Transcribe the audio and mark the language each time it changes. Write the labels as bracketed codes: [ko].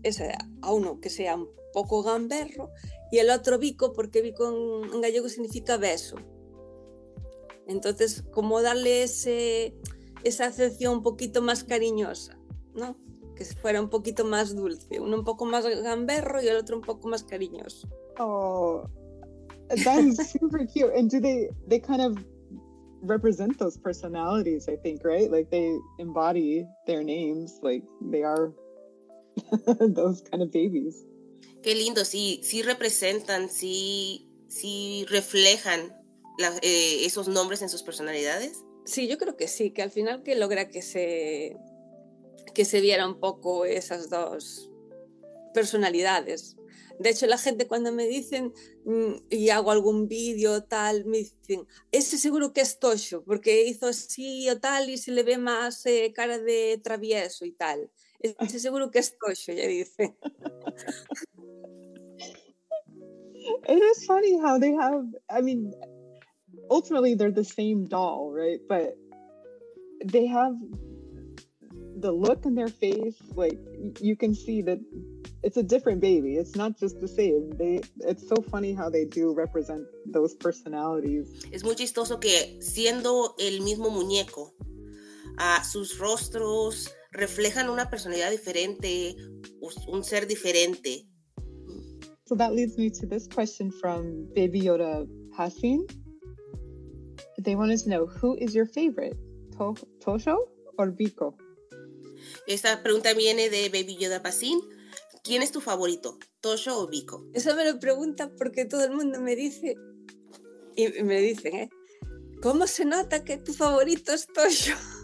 [es] Esa, a uno que sea un poco gamberro, y al otro Vico, porque Vico en gallego significa beso. Entonces, como darle esa acepción un poquito más cariñosa, ¿no? Que fuera un poquito más dulce. Uno un poco más gamberro y el otro un poco más cariñoso. [en] Oh, that is super cute. And do they kind of represent those personalities, I think, right? Like they embody their names, like they are those kind of babies. [es] Qué lindo, sí representan, sí reflejan esos nombres en sus personalidades. Sí, yo creo que sí, que al final que logra que se viera un poco esas dos personalidades. De hecho, la gente cuando me dicen y hago algún vídeo tal, me dicen, ese seguro que es Tosho, porque hizo así o tal y se le ve más cara de travieso y tal. Ese seguro que es Tosho, ya dice. [en] It is funny how they have, I mean, ultimately they're the same doll, right? But they have the look in their face, like you can see that it's a different baby. It's not just the same. It's so funny how they do represent those personalities. [es] Es muy chistoso que siendo el mismo muñeco, sus rostros reflejan una personalidad diferente, un ser diferente. [en] So that leads me to this question from Baby Yoda Hassin. They wanted to know, who is your favorite, Tosho or Vico? [es] Esta pregunta viene de Baby Yoda Hassin. ¿Quién es tu favorito, Tosho o Vico? Eso me lo pregunta porque todo el mundo me dice, y me dicen, ¿cómo se nota que tu favorito es Tosho?